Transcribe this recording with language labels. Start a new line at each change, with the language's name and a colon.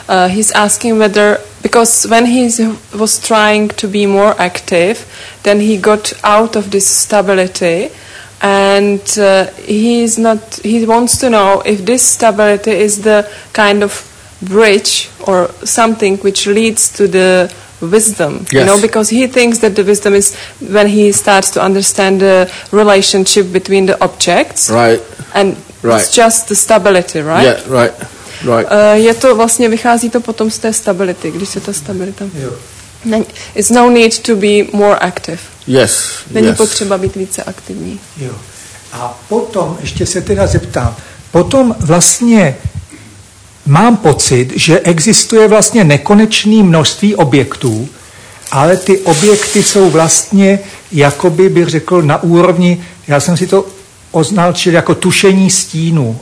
English: He's asking whether, because when he was trying to be more active, then he got out of this stability, and he wants to know if this stability is the kind of bridge or something which leads to the wisdom, you know, because he thinks that the wisdom is when he starts to understand the relationship between the objects. Right. And it's just the stability, right? Yeah, right. Right.
Czech: Je to vlastně vychází to potom z té stability, když se ta stabilita. Jo. Není,
English: it's no need to be more active. Yes.
Czech: Není potřeba být více aktivní. Jo. A potom ještě se teda zeptám. Potom vlastně mám pocit, že existuje vlastně nekonečné množství objektů, ale ty objekty jsou vlastně, jakoby bych řekl, na úrovni, já jsem si to označil jako tušení stínu.